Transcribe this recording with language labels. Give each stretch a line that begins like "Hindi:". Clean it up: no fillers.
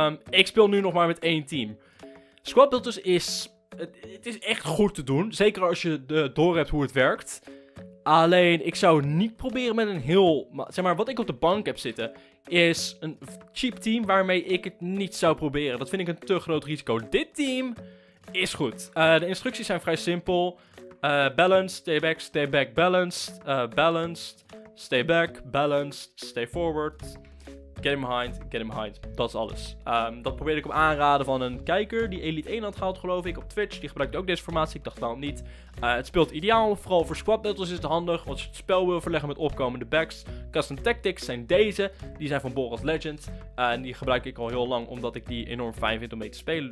Dutch: Ik speel nu nog maar met één team. Squad battles is... Het is echt goed te doen. Zeker als je doorhebt hoe het werkt. Alleen, ik zou niet proberen met een heel... Zeg maar, wat ik op de bank heb zitten... is een cheap team waarmee ik het niet zou proberen. Dat vind ik een te groot risico. Dit team is goed. De instructies zijn vrij simpel.
English: Balanced, stay back, balanced. Balanced, stay back, balanced, stay forward. Get him behind,
Dutch: dat is alles. Dat probeerde ik op aanraden van een kijker die Elite 1 had gehaald, geloof ik, op Twitch. Die gebruikte ook deze formatie, ik dacht wel niet. Het speelt ideaal, vooral voor squad battles is het handig. Als je het spel wil verleggen met opkomende backs. Custom tactics zijn deze, die zijn van Boros Legend. En die gebruik ik al heel lang, omdat ik die enorm fijn vind om mee te spelen.